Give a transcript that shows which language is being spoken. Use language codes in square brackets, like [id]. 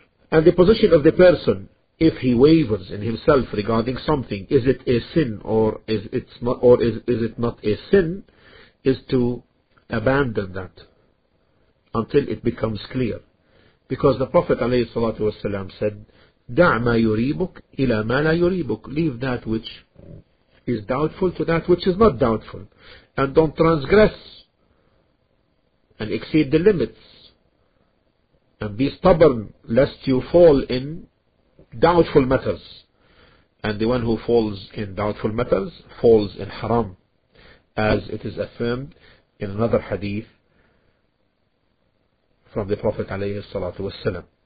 [en] And the position of the person, if he wavers in himself regarding something, is it a sin or is it not a sin, is to abandon that until it becomes clear. Because the Prophet ﷺ said, [ar] دَعْ مَا يُرِيبُكْ إِلَى مَا لَا يُرِيبُكْ. [en] Leave that which is doubtful to that which is not doubtful. And don't transgress and exceed the limits. And be stubborn lest you fall in doubtful matters. And the one who falls in doubtful matters falls in haram, as it is affirmed in another hadith from the Prophet alayhi salatu wasalam.